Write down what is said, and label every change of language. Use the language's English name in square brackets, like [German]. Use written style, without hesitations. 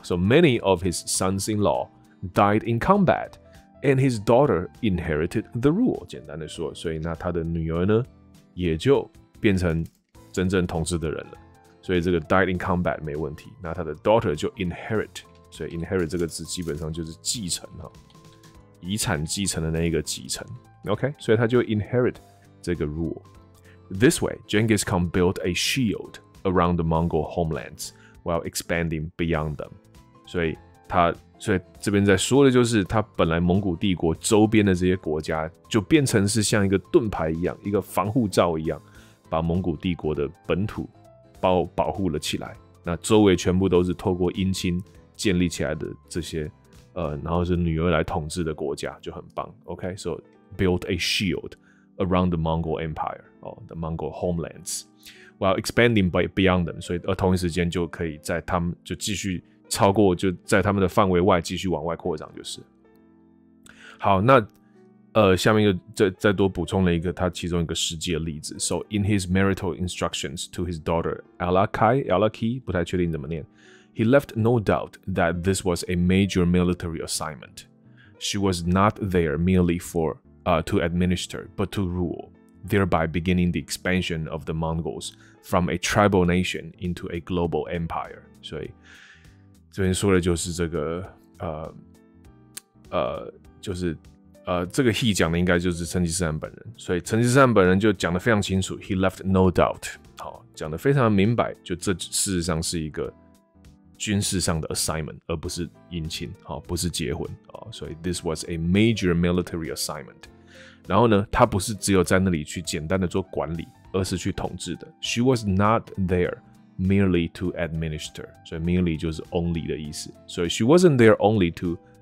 [English] So many of his sons-in-law died in combat, and his daughter inherited the rule。 [Chinese] 简单的说，所以那他的女儿呢，也就变成真正统治的人了。所以这个 [English] died in combat [Chinese] 没问题，那他的 daughter 就 inherit， 所以 inherit 这个字基本上就是继承哈，遗产继承的那一个继承。 [English] OK， [Chinese] 所以他就 [English] inherit [Chinese] 这个 [English] rule。This way, Genghis Khan built a shield around the Mongol homelands while expanding beyond them。 [Chinese] 所以这边在说的就是，他本来蒙古帝国周边的这些国家就变成是像一个盾牌一样，一个防护罩一样，把蒙古帝国的本土保护了起来。那周围全部都是透过姻亲建立起来的这些然后是女儿来统治的国家，就很棒。 [English] OK， so。 Built a shield around the Mongol Empire, or the Mongol homelands, while expanding by beyond them. [Chinese] 所以，同一时间就可以在他们就继续超过，就在他们的范围外继续往外扩张，就是。好，那下面就再多补充了一个他其中一个实际的例子。 [English] So in his marital instructions to his daughter Alaki， [Chinese] 不太确定怎么念 [English] ，he left no doubt that this was a major military assignment. She was not there merely for to administer, but to rule, thereby beginning the expansion of the Mongols from a tribal nation into a global empire. [Chinese] 所以这边说的就是这个，就是这个 he 讲的应该就是成吉思汗本人，所以成吉思汗本人就讲的非常清楚 ， [English] he left no doubt， [Chinese] 好，讲的非常明白，就这事实上是一个军事上的 assignment， 而不是姻亲，好，不是结婚，好，所以 [English] this was a major military assignment。 [Chinese] 然后呢，他不是只有在那里去简单的做管理，而是去统治的。 [English] She was not there merely to administer， [Chinese] 所以 [English] merely [Chinese] 就是 [English] only [Chinese] 的意思，所以 [English] she wasn't there only to。